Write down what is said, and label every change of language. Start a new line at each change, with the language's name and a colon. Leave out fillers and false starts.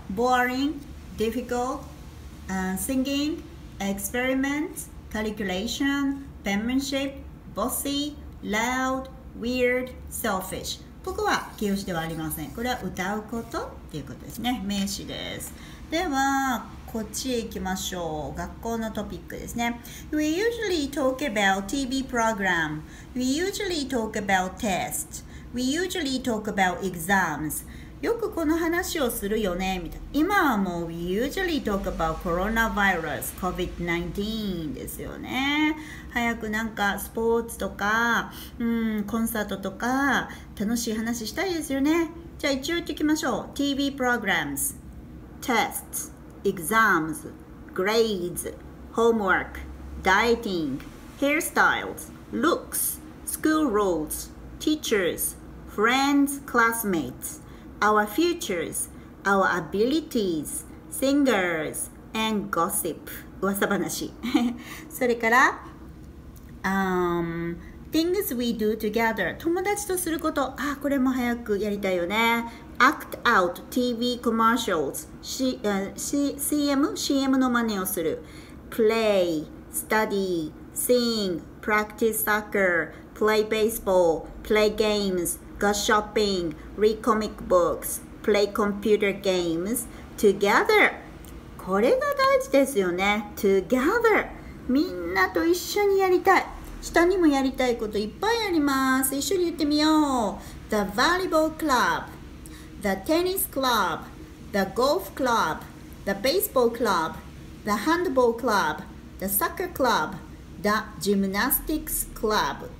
English: boring, difficult, singing, experiments, calculation, penmanship, bossy, loud, weird, selfish。
Japanese: ここは形容詞ではありません。これは歌うことっていうことですね、名詞です。ではこっち行きましょう。学校のトピックですね。
English: We usually talk about TV program. We usually talk about test. We usually talk about exams.
Japanese: よくこの話をするよねみたいな。今はもう
English: We usually talk about coronavirus, COVID-19
Japanese: ですよね。早くなんかスポーツとか、コンサートとか楽しい話したいですよね。じゃあ一応言っていきましょう。
English: TV programs, tests, exams, grades, homework, dieting, hairstyles, looks, school rules, teachers, friends, classmates,Our futures, our abilities, singers, and gossip.
Japanese: 噂話。それから、
English: things we do together.
Japanese: 友達とすること。あ、これも早くやりたいよね。
English: Act out TV commercials. CM
Japanese: の真似をする。
English: Play, study, sing, practice soccer, play baseball, play games. Go shopping, read comic books, play computer games together.
Japanese: これが大事ですよね。Together. みんなと一緒にやりたい。下にもやりたいこといっぱいあります。一緒に言ってみよう。
English: The volleyball club, the tennis club, the golf club, the baseball club, the handball club, the soccer club, the gymnastics club.